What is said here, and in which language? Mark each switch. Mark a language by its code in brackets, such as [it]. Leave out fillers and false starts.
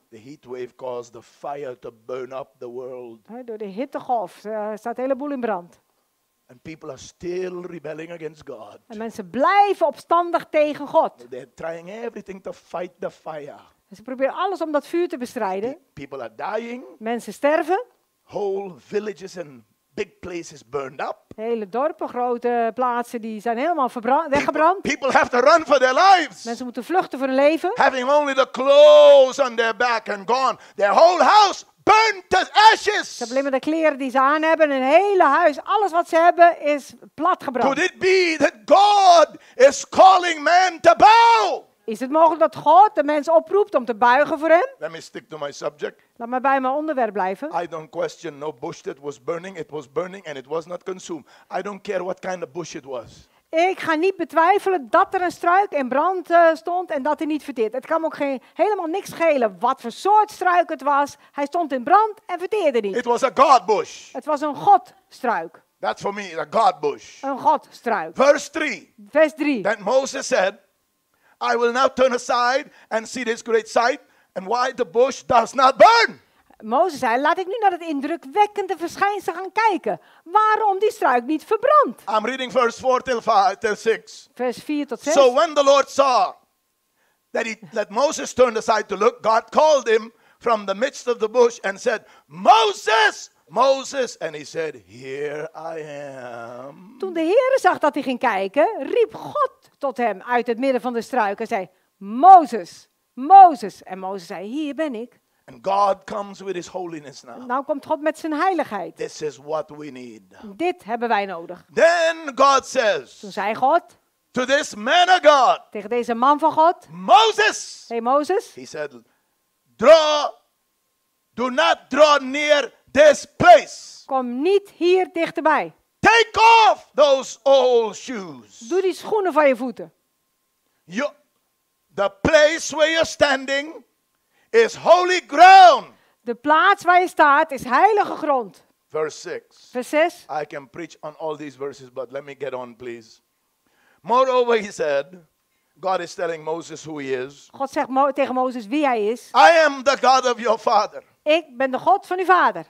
[en] The heat wave caused the fire to burn up the world. [nl] Door de hittegolf staat een heleboel in brand. [en] And people are still rebelling against God. [nl] En mensen blijven opstandig tegen God. [en] They're trying everything to fight the fire. [nl] En ze proberen alles om dat vuur te bestrijden. [en] People are dying. [nl] Mensen sterven. [en] Whole villages and big places burned up. [nl] Hele dorpen, grote plaatsen, die zijn helemaal weggebrand. [en] People have to run for their lives. [nl] Mensen moeten vluchten voor hun leven. [en] Having only the clothes on their back and gone, their whole house burned to ashes. [nl] Ze hebben alleen de kleren die ze aan hebben, een hele huis, alles wat ze hebben, is platgebrand. [en] Could it be that God is calling man to bow? [nl] Is het mogelijk dat God de mens oproept om te buigen voor hem? [en] Let me stick to my subject. [nl] Laat maar bij mijn onderwerp blijven. [en] I don't question no bush that was burning. It was burning and it was not consumed. I don't care what kind of bush it was. [nl] Ik ga niet betwijfelen dat er een struik in brand stond en dat hij niet verteert. Het kan me ook helemaal niks schelen wat voor soort struik het was. Hij stond in brand en verteerde niet. [en] It was a God bush. [nl] Het was een Godstruik. [en] That's for me a God bush. [nl] Een Godstruik. [en] Verse 3. [nl] Vers 3. [en] Then Moses said, I will now turn aside and see this great sight and why the bush does not burn. [nl] Mozes zei, laat ik nu naar het indrukwekkende verschijnsel gaan kijken. Waarom die struik niet verbrandt? [en] I'm reading verse 4 till 5 till 6. [nl] Vers 4 tot 6. [en] So when the Lord saw that that Moses turned aside to look, God called him from the midst of the bush and said, Moses! Moses, and he said, here I am. [nl] Toen de Heere zag dat hij ging kijken, riep God tot hem uit het midden van de struik en zei, Moses, Moses. En Mozes zei, hier ben ik. [en] And God comes with his holiness now. [nl] Nou komt God met zijn heiligheid. [en] This is what we need. [nl] Dit hebben wij nodig. [en] Then God says, [nl] toen zei God, [en] to this man of God, [nl] tegen deze man van God, [en] Moses. [nl] Hey Moses. [en] He said, do not draw near this place. [nl] Kom niet hier dichterbij. [en] Take off those old shoes. [nl] Doe die schoenen van je voeten. [en] The place where you're standing is holy ground. [nl] De plaats waar je staat is heilige grond. [en] Verse 6. I can preach on all these verses, but let me get on, please. Moreover, he said, God is telling Moses who he is. [nl] God zegt tegen Mozes wie hij is. [en] I am the God of your father. [nl] Ik ben de God van uw vader.